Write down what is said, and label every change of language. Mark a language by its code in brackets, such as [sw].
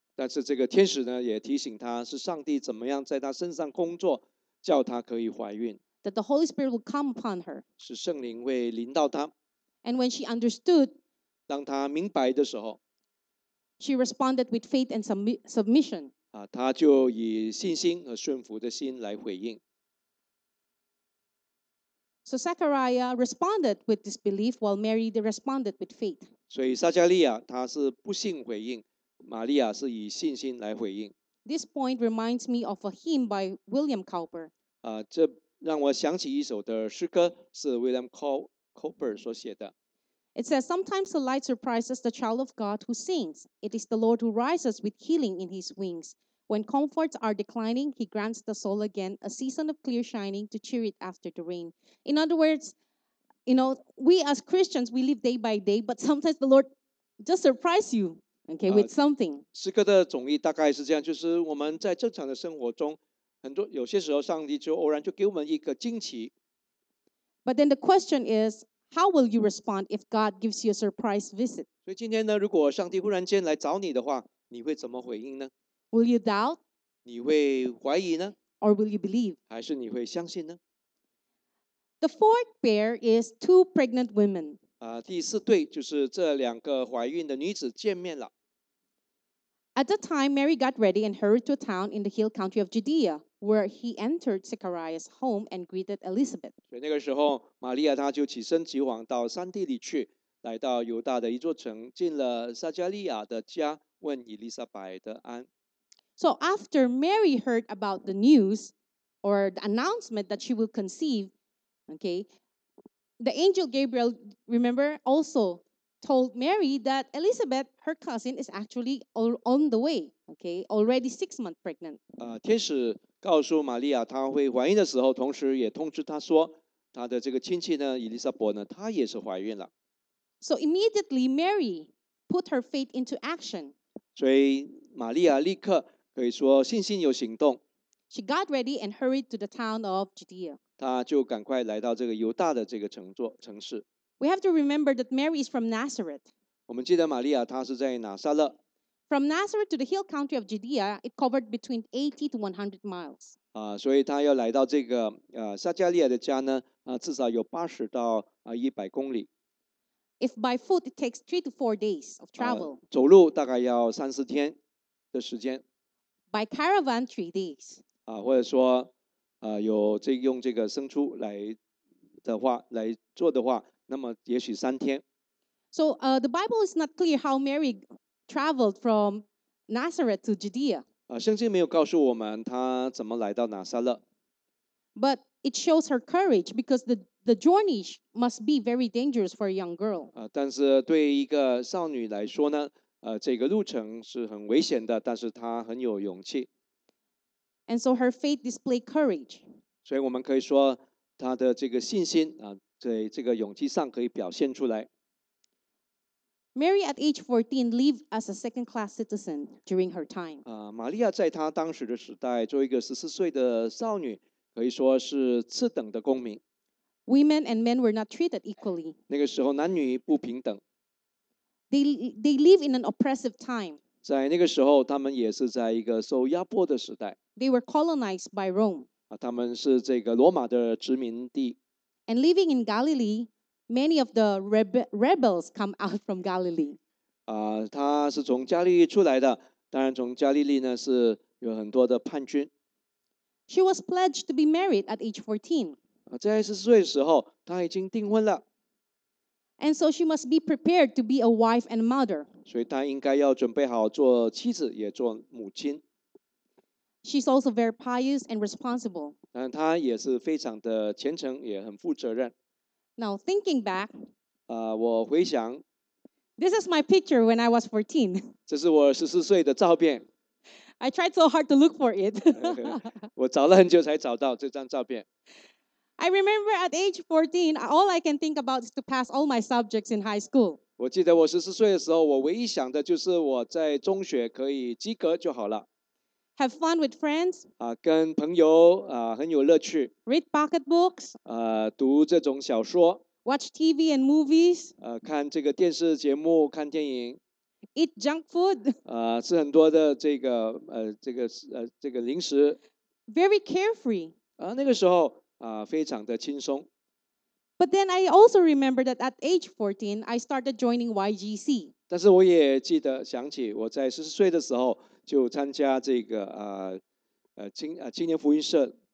[zh] 但是这个天使呢，也提醒她是上帝怎么样在她身上工作，叫她可以怀孕。 [en] That the Holy Spirit will come upon her. [zh] 是圣灵会临到她。 [en] And when she understood, [zh] 当她明白的时候， [en] she responded with faith and submission. [zh] 她就以信心和顺服的心来回应。 [en] So Zechariah responded with disbelief, while Mary responded with faith. [zh] 所以撒加利亚她是不信回应，玛利亚是以信心来回应。 [en] This point reminds me of a hymn by William Cowper. [zh] 这让我想起一首的诗歌，是 William Cowper 所写的。 [en] It says, "Sometimes the light surprises the child of God who sings. It is the Lord who rises with healing in His wings. When comforts are declining, He grants the soul again a season of clear shining to cheer it after the rain." In other words, you know, we as Christians we live day by day, but sometimes the Lord just surprises you, okay, with something. [zh] 诗歌的总意大概是这样，就是我们在正常的生活中。很多有些时候，上帝就偶然就给我们一个惊奇。 [en] But then the question is, how will you respond if God gives you a surprise visit? [zh] 所以今天呢，如果上帝忽然间来找你的话，你会怎么回应呢 [en] ？Will you doubt? [zh] 你会怀疑呢 [en] ？Or will you believe? [zh] 还是你会相信呢 [en] ？The fourth pair is two pregnant women. [zh] 第四对就是这两个怀孕的女子见面了。 [en] At the time, Mary got ready and hurried to a town in the hill country of Judea, where he entered Zechariah's home and greeted Elizabeth. [zh] 所以那个时候，玛利亚她就起身急往到山地里去，来到犹大的一座城，进了撒加利亚的家，问以利撒伯的安。 [en] So after Mary heard about the news or the announcement that she will conceive, okay, the angel Gabriel, remember, also. Told Mary that Elizabeth, her cousin, is actually on the way. Okay, already 6 months pregnant. [zh] 天使告诉玛利亚她会怀孕的时候，同时也通知她说，她的这个亲戚呢，以利撒伯呢，她也是怀孕了。 [en] So immediately Mary put her faith into action. [zh] 所以玛利亚立刻可以说信心有行动。 [en] She got ready and hurried to the town of Judea. [zh] 她就赶快来到这个犹大的这个城市。 [en] We have to remember that Mary is from Nazareth. [zh] 我们记得玛利亚她是在拿撒勒。 [en] From Nazareth to the hill country of Judea, it covered between 80 to 100 miles. [zh] 所以她要来到这个撒加利亚的家呢，至少有80到100公里。 [en] If by foot it takes 3 to 4 days of travel. [zh] 走路大概要三四天的时间。 [en] By caravan 3 days. [zh] 或者说有这用这个牲畜来的话来做的话。那么也许三天。 [en] So, the Bible is not clear how Mary traveled from Nazareth to Judea. [zh] 圣经没有告诉我们她怎么来到拿撒勒。 [en] But it shows her courage because the journey must be very dangerous for a young girl. [zh] 但是对一个少女来说呢，这个路程是很危险的，但是她很有勇气。 [en] And so her faith displayed courage. [zh] 所以我们可以说她的这个信心在这个勇气上可以表现出来。 [en] Mary at age 14 lived as a second-class citizen during her time. [zh] 玛利亚在她当时的时代，作为一个14岁的少女，可以说是次等的公民。 [en] Women and men were not treated equally. [zh] 那个时候男女不平等。 [en] They live in an oppressive time. [zh] 在那个时候，他们也是在一个受压迫的时代。 [en] They were colonized by Rome. [zh] 他们是这个罗马的殖民地。 [en] And living in Galilee, many of the rebels come out from Galilee. [zh] 他是从加利利出来的，当然从加利利呢是有很多的叛军。 [en] She was pledged to be married at age 14. [zh] 在十四岁的时候，她已经订婚了。 [en] And so she must be prepared to be a wife and a mother. [zh] 所以她应该要准备好做妻子，也做母亲。 [en] She's also very pious and responsible. [zh] 但她也是非常的虔诚，也很负责任。 [en] Now thinking back, [zh] 我回想。 [en] This is my picture when I was 14. [zh] 这是我十四岁的照片。 [en] I tried so hard to look for it. [zh] 我找了很久才找到这张照片。 [en] I remember at age 14, all I can think about is to pass all my subjects in high school. [zh] 我记得我十四岁的时候，我唯一想的就是我在中学可以及格就好了。 [en] Have fun with friends. [zh] 跟朋友很有乐趣。 [en] Read pocket books. [zh] 读这种小说。 [en] Watch TV and movies. [zh] 看这个电视节目，看电影。 [en] Eat junk food. [zh] 吃很多的这个这个零食。 [en] Very carefree. [zh] 那个时候。非常的轻松。 [en] But then I also remember that at age 14, I started joining YGC. [zh] 但是我也记得想起我在十四岁的时候就参加这个青年福音社。